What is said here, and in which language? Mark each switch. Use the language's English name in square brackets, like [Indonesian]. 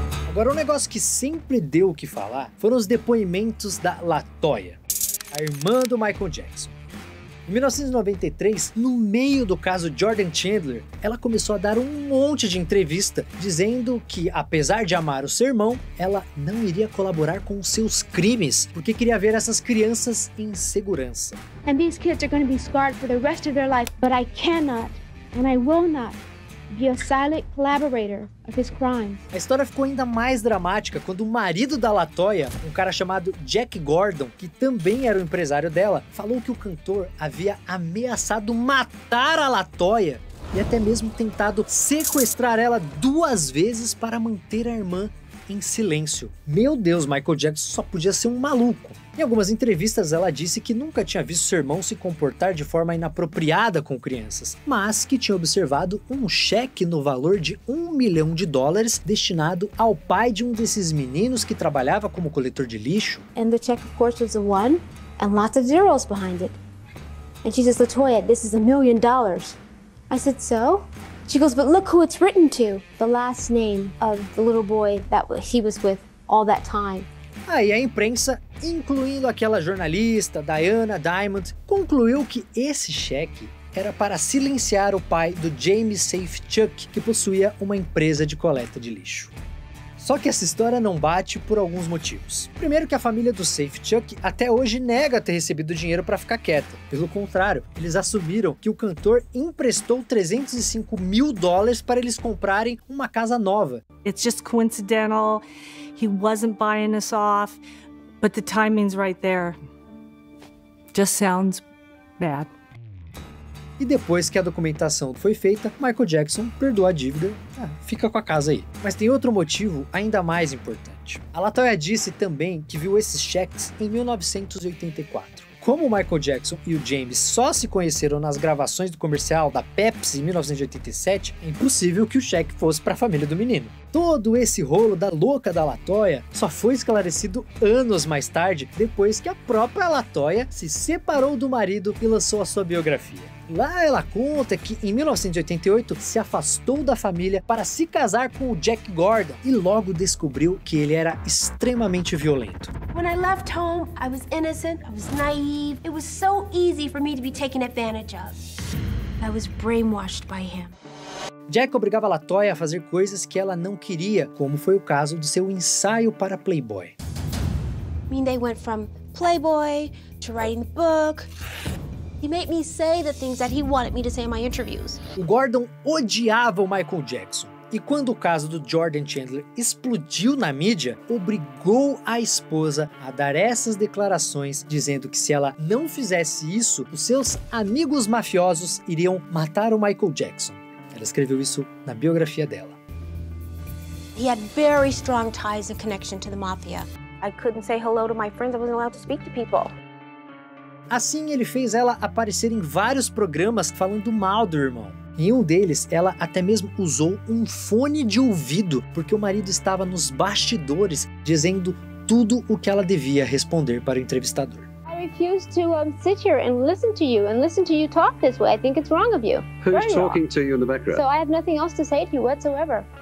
[Portuguese] Agora, um negócio que sempre deu o que falar foram os depoimentos da LaToya, a irmã do Michael Jackson. Em 1993, no meio do caso Jordan Chandler, ela começou a dar um monte de entrevista dizendo que, apesar de amar o seu irmão, ela não iria colaborar com os seus crimes porque queria ver essas crianças em segurança. [English] And these kids are going to be scarred for the rest of their life, but I cannot and I will not be a silent collaborator of his crimes. [Portuguese] A história ficou ainda mais dramática quando o marido da LaToya, um cara chamado Jack Gordon, que também era o empresário dela, falou que o cantor havia ameaçado matar a LaToya e até mesmo tentado sequestrar ela duas vezes para manter a irmã em silêncio. Meu Deus, Michael Jackson só podia ser um maluco. Em algumas entrevistas, ela disse que nunca tinha visto seu irmão se comportar de forma inapropriada com crianças, mas que tinha observado um cheque no valor de $1 milhão destinado ao pai de um desses meninos que trabalhava como coletor de lixo. [English] And the check, of course, was a one and lots of zeros behind it. And she says, LaToya, this is $1 million. I said, so? She goes, but look who it's written to. The last name of the little boy that he was with all that time. [Portuguese] Aí a imprensa, incluindo aquela jornalista, Diana Diamond, concluiu que esse cheque era para silenciar o pai do James Safechuck, que possuía uma empresa de coleta de lixo. Só que essa história não bate por alguns motivos. Primeiro que a família do Safechuck até hoje nega ter recebido dinheiro para ficar quieta. Pelo contrário, eles assumiram que o cantor emprestou $305 mil para eles comprarem uma casa nova. [English] It's just coincidental. He wasn't buying us off, but the timing's right there. Just sounds bad. [Portuguese] E depois que a documentação foi feita, Michael Jackson perdoa a dívida, fica com a casa aí. Mas tem outro motivo ainda mais importante. A LaToya disse também que viu esses cheques em 1984. Como Michael Jackson e o James só se conheceram nas gravações do comercial da Pepsi em 1987, é impossível que o cheque fosse para a família do menino. Todo esse rolo da louca da LaToya só foi esclarecido anos mais tarde, depois que a própria LaToya se separou do marido e lançou a sua biografia. Lá ela conta que em 1988 se afastou da família para se casar com o Jack Gordon e logo descobriu que ele era extremamente violento. [English] When I left home, I was innocent, I was naive. It was so easy for me to be taken advantage of. I was brainwashed by him. [Portuguese] Jack obrigava a LaToya a fazer coisas que ela não queria, como foi o caso do seu ensaio para Playboy. [English] I mean, they went from Playboy to writing the book. He made me say the things that he wanted me to say in my interviews. [Portuguese] O Gordon odiava o Michael Jackson. E quando o caso do Jordan Chandler explodiu na mídia, obrigou a esposa a dar essas declarações, dizendo que se ela não fizesse isso, os seus amigos mafiosos iriam matar o Michael Jackson. Ela escreveu isso na biografia dela. [English] He had very strong ties and connection to the mafia. I couldn't say hello to my friends. I wasn't allowed to speak to people. [Portuguese] Assim, ele fez ela aparecer em vários programas falando mal do irmão. Em um deles, ela até mesmo usou um fone de ouvido porque o marido estava nos bastidores dizendo tudo o que ela devia responder para o entrevistador. [English] I refuse to sit here and listen to you and listen to you talk this way. I think it's wrong of you. Who's talking to you in the background? So I have nothing else to say to you whatsoever.